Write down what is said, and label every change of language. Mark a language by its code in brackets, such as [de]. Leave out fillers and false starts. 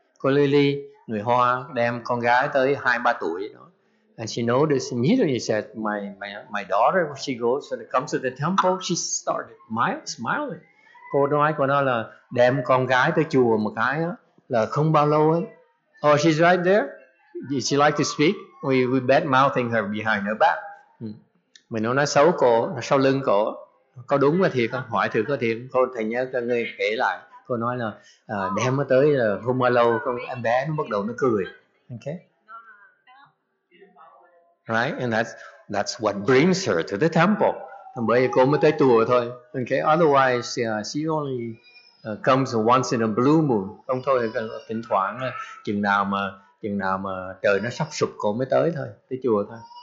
[vi] Cô Lily, người Hoa, đem con gái tới 2-3 tuổi. [en] You know? And she noticed immediately, said, my daughter, when she goes and comes to the temple, she started smiling. [vi] Cô nói của nó là đem con gái tới chùa một cái đó, là không bao lâu ấy. [en] Oh, she's right there. Did she like to speak? We bad mouthing her behind her back. [vi] Mình nói xấu cô sau lưng cô. Có đúng là thiệt không? Hỏi thử có thiệt không? Thầy nhớ cho người kể lại. Cô nói là đem nó tới là không bao lâu con em bé nó bắt đầu nó cười. [en] Okay. Right, and that's what brings her to the temple. [vi] Thầm bởi vì cô mới tới chùa thôi. [en] Okay, otherwise she only comes once in a blue moon. [vi] Không thôi, thỉnh thoảng chừng nào mà trời nó sắp sụp cô mới tới thôi, tới chùa thôi.